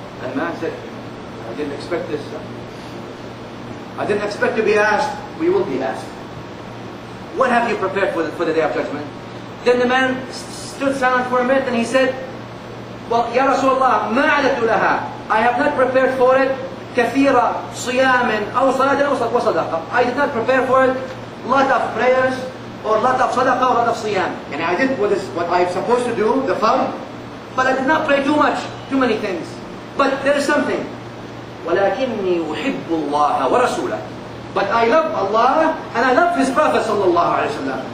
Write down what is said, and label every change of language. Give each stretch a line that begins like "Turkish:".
English: And the man said, I didn't expect this. I didn't expect to be asked. We will be asked. What have you prepared for the day of judgment? Then the man stood silent for a minute and he said, Well, Ya Rasulullah,
Arabic: ما عددت لها?
English: I have not prepared for it.
Arabic: كثيرة صيام أو صلاة أو صدقة.
English: I did not prepare for it. Lot of prayers or lot of صدقة or lot of صيام. And I did what I'm supposed to do, the fard. But I did not pray too much, too many things. But there is something.
Arabic: ولكني أحب الله ورسوله.
English: But I love Allah and I love His Prophet sallallahu alaihi wasallam.